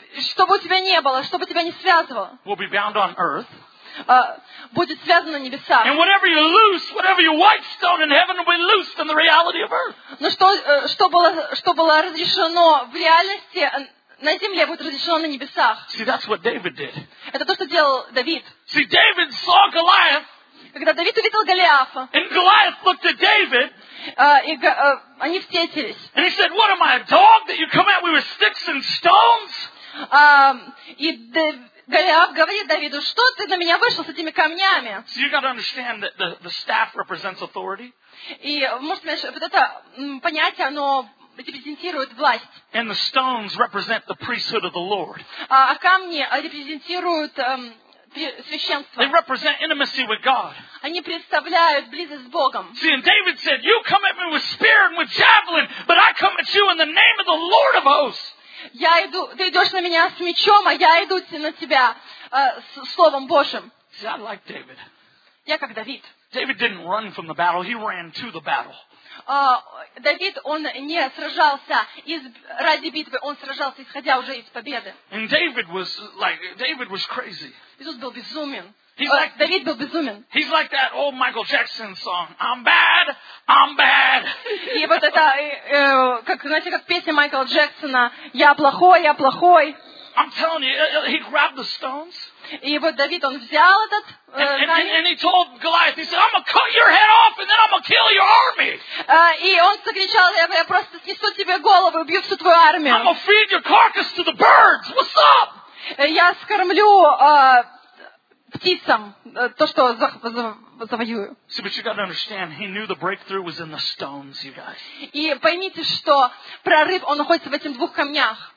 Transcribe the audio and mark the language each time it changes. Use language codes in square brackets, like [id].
[ru] что бы у тебя не было, что бы тебя не связывало, [en] will be bound on earth. [ru] Будет связано на небесах. [en] And whatever you loose, whatever you white stone in heaven will be loosed in the reality of earth. [ru] Но что было разрешено в реальности на земле, будет разрешено на небесах. [en] See, that's what David did. [ru] Это то, что делал Давид. [en] See, David saw Goliath. [ru] Когда Давид увидел Голиафа. [en] And Goliath looked at David. [ru] Они встретились. [en] And he said, "What am I, a dog that you come at me with sticks and stones?" [ru] Голиаф говорит Давиду, что ты на меня вышел с этими камнями? [en] So you gotta understand that the staff represents authority. [ru] И, может, знаешь, вот это понятие, оно репрезентирует власть. [en] And the stones represent the priesthood of the Lord. [ru] А камни репрезентируют священство. [en] They represent intimacy with God. [ru] Они представляют близость с Богом. [en] See, and David said, "You come at me with spear and with javelin, but I come at you in the name of the Lord of hosts." [ru] Я иду, ты идешь на меня с мечом, а я иду на тебя с Словом Божьим. [en] See, I like David. [ru] Я как Давид. [en] David didn't run from the battle, he ran to the battle. [ru] Давид, он не сражался ради битвы, он сражался, исходя уже из победы. [en] And David was like, David was crazy. [ru] Иисус был безумен. [en] David [ru] был безумен. [en] He's like that old Michael Jackson song. I'm bad, I'm bad. [ru] И вот это, как, знаете, как песня Майкла Джексона. Я плохой, я плохой. [en] I'm telling you, he grabbed the stones. [ru] И вот Давид, он взял этот [en] And he told Goliath, he said, "I'm gonna cut your head off, and then I'm gonna kill your army." [ru] И он закричал, я просто снесу тебе голову, убью всю твою армию. [en] I'm gonna feed your carcass to the birds. What's up? [ru] Я скормлю птицам, то, что завоюю. [en] See, but you gotta understand, he knew the breakthrough was in the stones, you guys. [ru] И поймите, что прорыв, он находится в этих двух камнях.